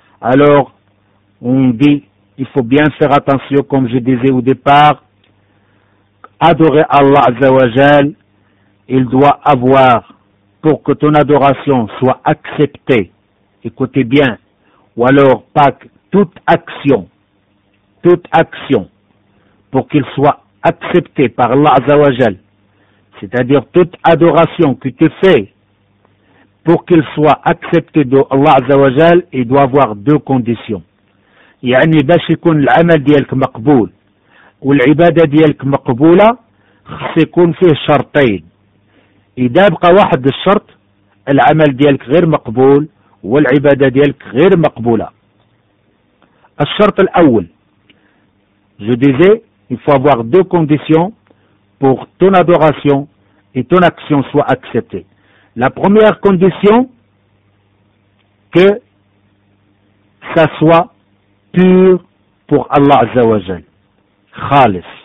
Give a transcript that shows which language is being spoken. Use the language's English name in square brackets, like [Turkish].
[French] Alors, on dit, il faut bien faire attention, comme je disais au départ, adorer Allah Azzawajal, il doit avoir, pour que ton adoration soit acceptée, écoutez bien, ou alors pas toute action, pour qu'il soit accepté par Allah Azzawajal, c'est-à-dire toute adoration que tu fais pour qu'il soit accepté de Allah Azza wa Jal, il doit avoir deux conditions. [Arabic] يعني باش يكون العمل ديالك مقبول والعبادة ديالك مقبولة خص يكون فيه شرطين. إذا بقى واحد الشرط العمل ديالك غير مقبول والعبادة ديالك غير مقبولة. الشرط الأول [French] je disais il faut avoir deux conditions pour ton adoration et ton action soit acceptée. La première condition que ça soit pur pour Allah Azza wa Jal. Khalis.